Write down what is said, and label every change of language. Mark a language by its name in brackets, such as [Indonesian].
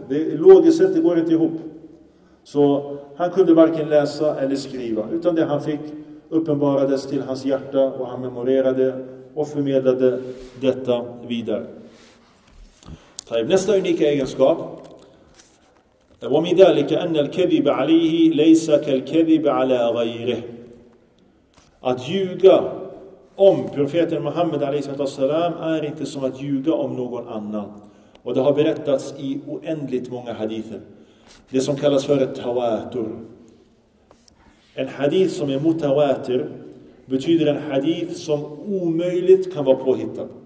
[Swedish] Det är logiskt sett, det går inte ihop. Så han kunde varken läsa eller skriva. Utan det han fick uppenbarades till hans hjärta och han memorerade och förmedlade detta vidare. Nästa unika egenskap [Arabic] ومن ذلك أن الكذب عليه ليس كالكذب على غيره. [Swedish] Att ljuga om profeten Muhammed a.s. är inte som att ljuga om någon annan. Och det har berättats i oändligt många hadither. Det som kallas för tawatur. En hadith som är mutawatir betyder en hadith som omöjligt kan vara påhittad.